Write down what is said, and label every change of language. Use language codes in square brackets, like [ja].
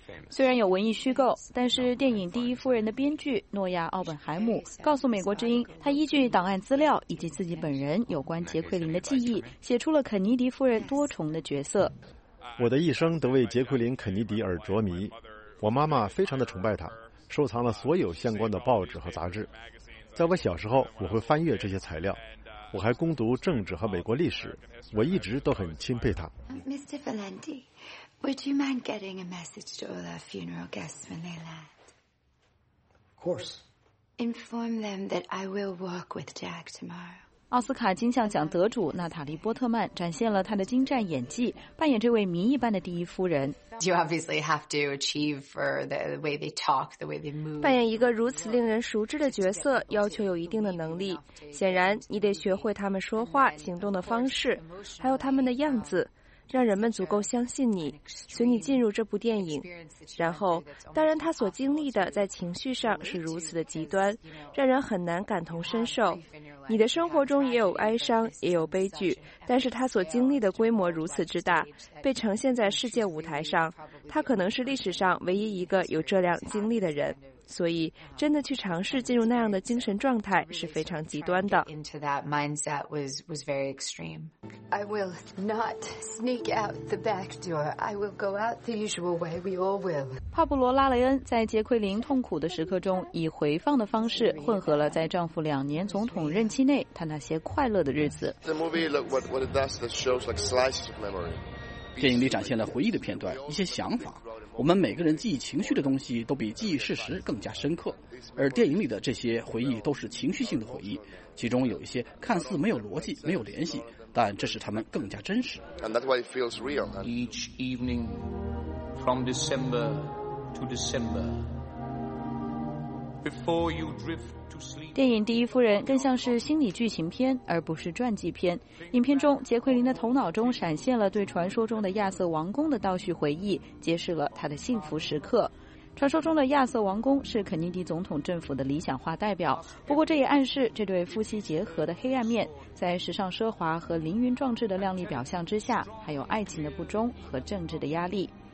[zh] 虽然有文艺虚构，但是电影《第一夫人》的编剧诺亚·奥本海姆告诉美国之音，他依据档案资料以及自己本人有关杰奎琳的记忆，写出了肯尼迪夫人多重的角色。我的一生都为杰奎琳·肯尼迪而着迷，我妈妈非常的崇拜她，收藏了所有相关的报纸和杂志。在我小时候，我会翻阅这些材料，我还攻读政治和美国历史，我一直都很钦佩她。 [en] Mr. Valenti, would you mind getting a message to all our funeral guests when they land? Of course. Inform them that I will walk with Jack tomorrow. [zh] 奥斯卡金像奖得主娜塔莉·波特曼展现了她的精湛演技，扮演这位谜一般的第一夫人。 [en] You obviously have to achieve for the way they talk, the way they move. [zh] 扮演一个如此令人熟知的角色，要求有一定的能力。显然，你得学会他们说话、行动的方式，还有他们的样子。让人们足够相信你，随你进入这部电影。然后，当然他所经历的在情绪上是如此的极端，让人很难感同身受。你的生活中也有哀伤，也有悲剧，但是他所经历的规模如此之大，被呈现在世界舞台上，他可能是历史上唯一一个有这样经历的人。所以，真的去尝试进入那样的精神状态是非常极端的。 [en] Into that mindset was very extreme. I will not sneak out the back door. I will go out the usual way. We all will. [zh] 帕布罗·拉雷恩在杰奎琳痛苦的时刻中，以回放的方式混合了在丈夫两年总统任期内他那些快乐的日子。 [en] The movie, look what it does, that shows like slices of memory. [zh] 电影里展现了回忆的片段，一些想法。我们每个人记忆情绪的东西都比记忆事实更加深刻，而电影里的这些回忆都是情绪性的回忆，其中有一些看似没有逻辑、没有联系，但这使他们更加真实。 [en] And that's why it feels real. Each evening, from December to December, before you drift. [zh] 电影《第一夫人》更像是心理剧情片，而不是传记片。影片中，杰奎琳的头脑中闪现了对传说中的亚瑟王宫的倒叙回忆，揭示了她的幸福时刻。传说中的亚瑟王宫是肯尼迪总统政府的理想化代表，不过这也暗示这对夫妻结合的黑暗面，在时尚奢华和凌云壮志的亮丽表象之下，还有爱情的不忠和政治的压力。